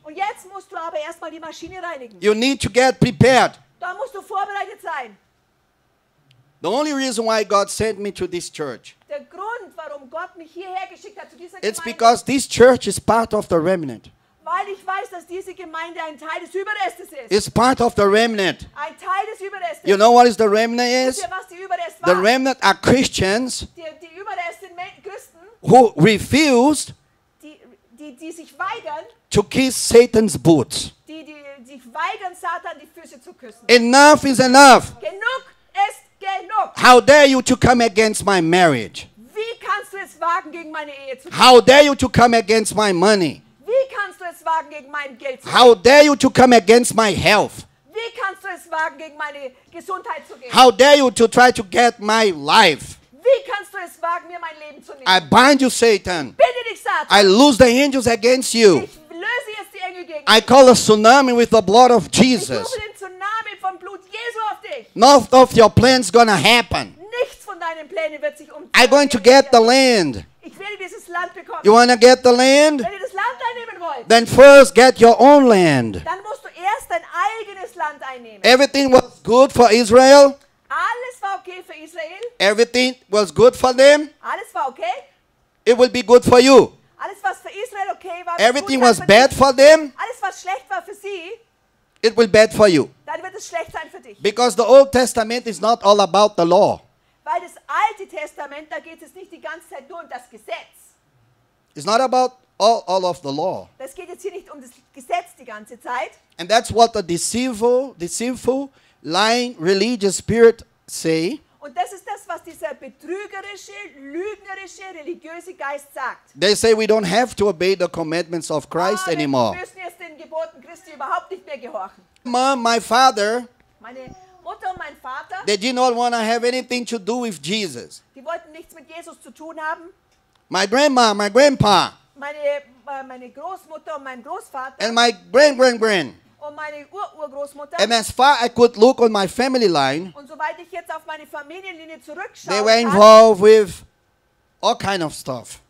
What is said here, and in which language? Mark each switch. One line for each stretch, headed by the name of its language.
German: Und jetzt musst du aber erstmal die Maschine reinigen.
English: You need to get prepared.
German: Da musst du vorbereitet sein.
English: The only reason why God sent me to this church,
German: der Grund, warum Gott mich hierher geschickt hat, zu dieser Gemeinde,
English: it's because this church is part of the remnant.
German: Weil ich weiß, dass diese Gemeinde ein Teil des Überrestes ist.
English: It's part of the remnant.
German: Ein Teil des Überrestes.
English: You know what is the remnant is?
German: Wisst ihr, was die Überrest war?
English: The remnant are Christians.
German: Die Überrest sind Christen.
English: Who refused?
German: Die sich weigern.
English: To kiss Satan's boots.
German: Die sich weigern, Satan die Füße zu küssen.
English: Enough is enough.
German: Genug ist genug.
English: How dare you to come against my marriage?
German: Wie kannst du es wagen, gegen meine Ehe zu kommen?
English: How dare you to come against my money?
German: Wie kannst du es wagen, gegen mein Geld zu gehen?
English: How dare you to come against my health?
German: Wie kannst du es wagen, gegen meine Gesundheit zu gehen?
English: How dare you to try to get my life?
German: Wie kannst du es wagen, mir mein Leben zu nehmen?
English: I bind you, Satan.
German: Binde dich, Satan.
English: I lose the angels against you.
German: Ich löse jetzt die Engel gegen
English: I call a tsunami with the blood of Jesus.
German: Ich rufe den Tsunami vom Blut Jesu auf dich.
English: None of your plans gonna happen.
German: Nichts von deinen Plänen wird sich umsetzen.
English: I'm going to get the land.
German: Ich werde dieses Land bekommen.
English: You wanna get the land?
German: Wenn ihr das Land einnehmen wollt,
English: then first get your own land.
German: Dann musst du erst dein eigenes Land einnehmen.
English: Everything was good for Israel.
German: Alles war okay für Israel.
English: Everything was good for them.
German: Alles war okay.
English: It will be good for you.
German: Alles was für Israel okay war.
English: Everything
German: gut
English: was bad for them.
German: Alles was schlecht war für sie.
English: It will be bad for you.
German: Dann wird es schlecht sein für dich.
English: Because the Old Testament is not all about the law.
German: Weil das Alte Testament, da geht es nicht die ganze Zeit nur um das Gesetz.
English: It's not about all of the law.
German: Das geht jetzt hier nicht um das Gesetz die ganze Zeit.
English: And that's what the deceitful, lying religious spirit say.
German: Und das ist das, was dieser betrügerische, lügnerische, religiöse Geist sagt.
English: They say we don't have to obey the commandments of Christ anymore.
German: Wir müssen jetzt den Geboten Christi überhaupt nicht mehr gehorchen.
English: Mom, my father.
German: Meine Mutter und mein Vater.
English: They did not want to have anything to do with Jesus.
German: Die wollten nichts mit Jesus zu tun haben.
English: My grandma, my grandpa.
German: Meine Großmutter und mein Großvater.
English: And my grand.
German: Und meine Urgroßmutter.
English: And as far as I could look on my family line,
German: und soweit ich jetzt auf meine Familienlinie zurückschaue,
English: they were involved with all kind of stuff.